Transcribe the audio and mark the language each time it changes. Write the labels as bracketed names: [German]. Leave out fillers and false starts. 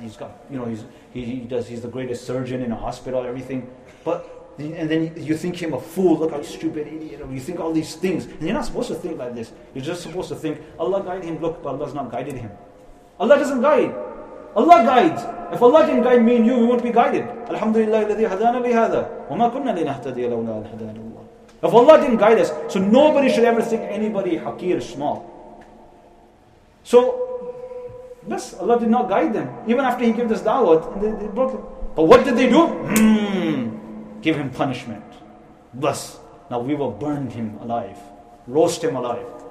[English] He's got he's the greatest surgeon in a hospital, everything. But and then you think him a fool. Look how stupid, idiot. You think all these things, and you're not supposed to think like this. You're just supposed to think Allah guide him. Look, but Allah's not guided him. Allah doesn't guide. Allah guides. If Allah can guide me and you, we won't be guided. [Arabic] Alhamdulillah, الَّذِي هَدَانَا لِهَذَا وَمَا كُنَّا لِنَهْتَدِيَ لَوْلَا هَدَانَا اللَّهِ. [English] If Allah didn't guide us, so nobody should ever think anybody hakir, small. So, yes, Allah did not guide them. Even after He gave this da'wat, they broke it. But what did they do? Give Him punishment. Thus, now we will burn Him alive. Roast Him alive.